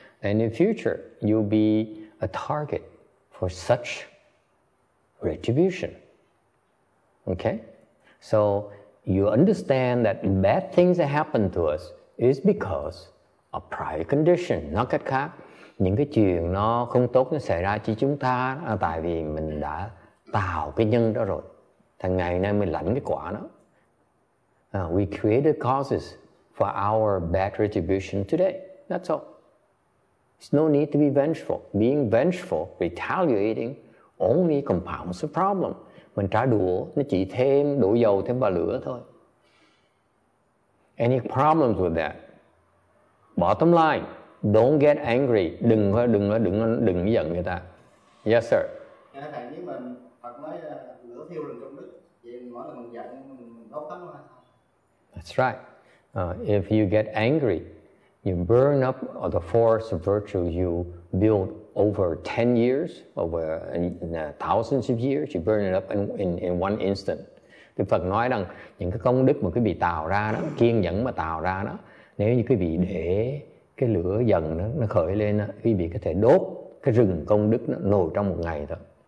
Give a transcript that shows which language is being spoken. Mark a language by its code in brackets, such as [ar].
[en] And in future you'll be a target for such retribution. Okay, so you understand that bad things that happen to us is because of prior condition. [vi] Nói cách khác, những cái chuyện nó không tốt nó xảy ra cho chúng ta tại vì mình đã tạo cái nhân đó rồi. Thằng ngày nay mình lãnh cái quả đó. [en] We created causes for our bad retribution today. That's all. There's no need to be vengeful. Being vengeful, retaliating, only compounds the problem. [vi] Mình trả đũa, nó chỉ thêm đổ dầu thêm vào lửa thôi. [en] Any problems with that? Bottom line, don't get angry. [vi] Đừng giận người ta. [en] Yes, sir. [vi] Thầy, nếu mà Phật nói lửa thiêu rừng công đức, thì mỗi lần mình giận, mình đốt tắt luôn. [en] That's right. If you get angry, you burn up the force of virtue you build over 10 years, over thousands of years, you burn it up in one instant. [vi] Thì Phật nói rằng những cái công đức mà quý vị tạo ra đó, kiên nhẫn mà tạo ra đó, nếu như quý vị để cái lửa giận nó khởi lên, quý vị có thể đốt cái rừng công đức nó nổi trong một ngày thôi.